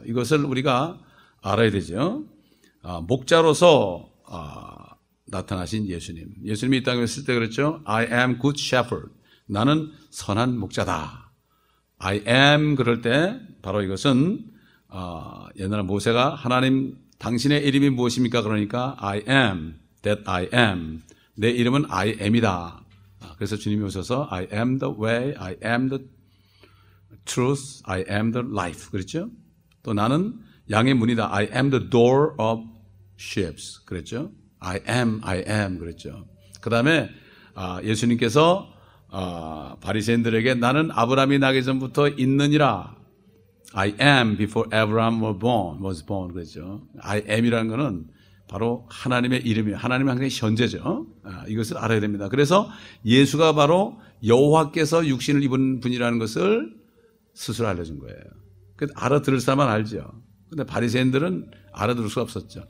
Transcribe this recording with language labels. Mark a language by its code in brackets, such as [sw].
[ko] 이것을 우리가 알아야 되죠. 목자로서 나타나신 예수님. 예수님이 이 땅에 있을 때 그랬죠. [en] I am good shepherd. [ko] 나는 선한 목자다. [en] I am [ko] 그럴 때 바로 이것은 옛날에 모세가 하나님 당신의 이름이 무엇입니까? [en] 그러니까 I am, that I am. [ko] 내 이름은 [en] I am [ko] 이다. 그래서 주님이 오셔서 [en] I am the way, I am the truth, I am the life. [ko] 그랬죠? 또 나는 양의 문이다. [en] I am the door of sheep. [ko] 그랬죠? [en] I am, I am. [ko] 그랬죠? 그 다음에 예수님께서 바리새인들에게 나는 아브라함이 나기 전부터 있느니라. [en] I am before Abraham was born. [ko] 그랬죠? I am이라는 것은 바로 하나님의 이름이에요. 하나님은 항상 현재죠. 이것을 알아야 됩니다. 그래서 예수가 바로 여호와께서 육신을 입은 분이라는 것을 스스로 알려준 거예요. 그래서 알아들을 사람만 알죠. 그런데 바리새인들은 알아들을 수가 없었죠.